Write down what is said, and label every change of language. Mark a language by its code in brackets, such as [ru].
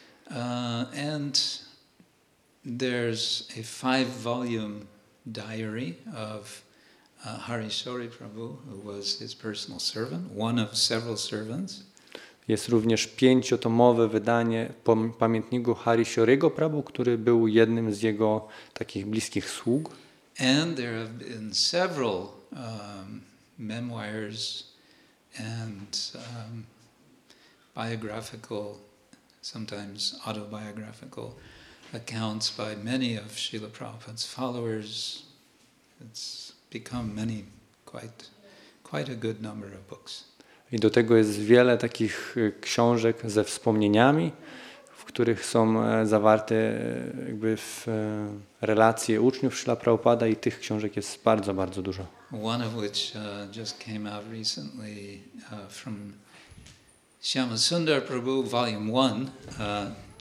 [en] And there's a 5-volume diary of Harishori Prabhu, who was his personal servant, one of several servants. [pl] Jest również 5-tomowe wydanie pamiętniku Harishorego Prabhu, który był jednym z jego takich bliskich sług. [en] And there have been several memoirs and biographical, sometimes autobiographical accounts by many of Srila Prabhupada's followers. It's become many, quite a good number of books. [pl] I do tego jest wiele takich książek ze wspomnieniami, w których są zawarte jakby w relacje uczniów Śrila Prabhupada i tych książek jest bardzo, bardzo dużo. [en] One of which just came out recently from Shyamasundar Prabhu, volume 1.